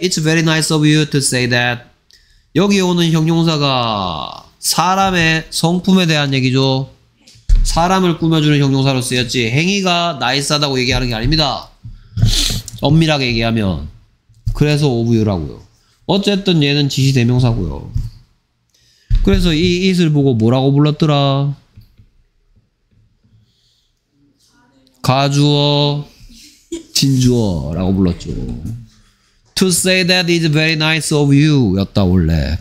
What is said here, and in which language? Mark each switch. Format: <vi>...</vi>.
<en>It's very nice of you to say that.'</en> <ko>여기 오는 형용사가 사람의 성품에 대한 얘기죠. 사람을 꾸며주는 형용사로 쓰였지 행위가 nice하다고 얘기하는 게 아닙니다. 엄밀하게 얘기하면 그래서</ko> <en>'of you'라고요.</en> <ko>어쨌든 얘는 지시대명사고요. 그래서 이 it을 보고 뭐라고 불렀더라? 가주어, 진주어라고 불렀죠.</ko> <en>To say that is very nice of you</en> <ko>였다 원래.</ko>